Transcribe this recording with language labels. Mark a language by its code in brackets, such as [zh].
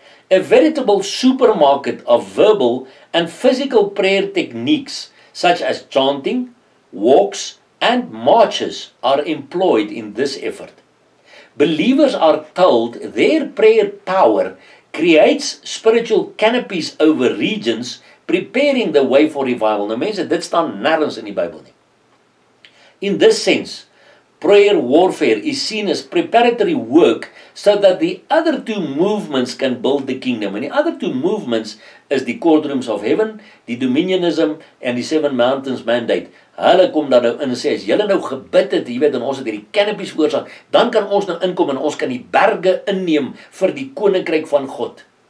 [en] A veritable supermarket of verbal and physical prayer techniques such as chanting, walks and marches are employed in this effort. Believers are told their prayer power creates spiritual canopies over regions, preparing the way for revival. [af] Nou mense, dit staan nêrens in die Bybel nie. [en] In this sense, prayer warfare is seen as preparatory work so that the other two movements can build the kingdom. And the other two movements is the courtrooms of heaven, the dominionism and the seven mountains mandate. [af] Hulle kom dan nou in en sê, as julle nou gebid het, jy weet, en ons het hierdie canopies veroorsaak, dan kan ons nou inkom en ons kan die berge inneem vir die koninkryk van God.